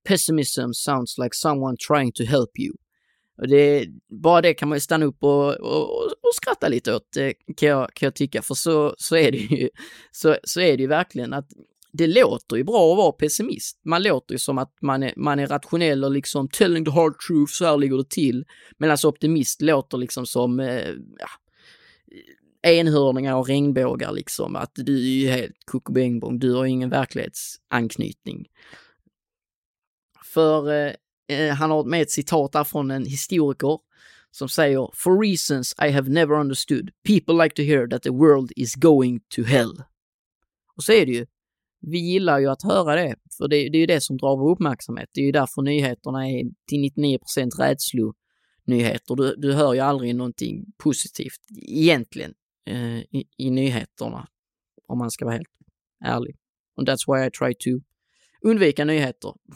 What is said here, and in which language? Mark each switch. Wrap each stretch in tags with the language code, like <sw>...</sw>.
<en>Pessimism sounds like someone trying to help you.</en> <sv>Och det, bara det kan man ju stanna upp och skratta lite åt, kan jag tycka. För så är det ju verkligen att det låter ju bra att vara pessimist. Man låter ju som att man är rationell och liksom</sv> <en>telling the hard truth,</en> <sv>så här ligger det till. Men alltså optimist låter liksom som enhörningar och regnbågar liksom. Att du är ju helt kukubängbång, du har ingen verklighetsanknytning. För han har med ett citat där från en historiker som säger:</sv> <en>for reasons I have never understood, people like to hear that the world is going to hell.</en> <sv>Och så är det ju. Vi gillar ju att höra det, för det är ju det som drar vår uppmärksamhet. Det är ju därför nyheterna är till 99% rädslonyheter. Du hör ju aldrig någonting positivt egentligen i nyheterna, om man ska vara helt ärlig.</sv> <en>And that's why I try to</en> <sv>undvika nyheter.</sv>